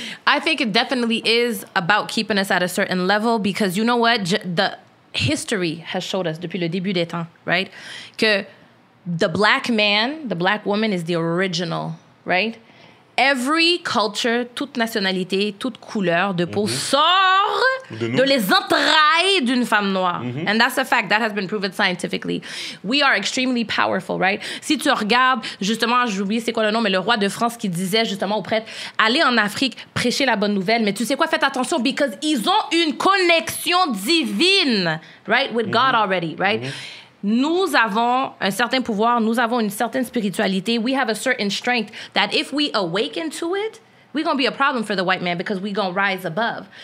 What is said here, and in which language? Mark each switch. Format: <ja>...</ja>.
<en>I think it definitely is about keeping us at a certain level because you know what? The history has showed us</en> <fr>depuis le début des temps,</fr> <en>right? Que the black man, the black woman is the original, right? Every culture,</en> <fr>toute nationalité, toute couleur de peau mm-hmm, sort de les entrailles d'une femme noire.</fr> <en>Mm-hmm. And that's a fact. That has been proven scientifically. We are extremely powerful, right?</en> <fr>Si tu regardes, justement, j'oublie c'est quoi le nom, mais le roi de France qui disait justement aux prêtres, allez en Afrique, prêchez la bonne nouvelle. Mais tu sais quoi? Faites attention, because ils ont une connexion divine, right?</fr> <en>With mm-hmm, God already, right? Mm-hmm.</en> <fr>Nous avons un certain pouvoir, nous avons une certaine spiritualité.</fr> <en>We have a certain strength that if we awaken to it, we're going to be a problem for the white man because we're going to rise above.</en>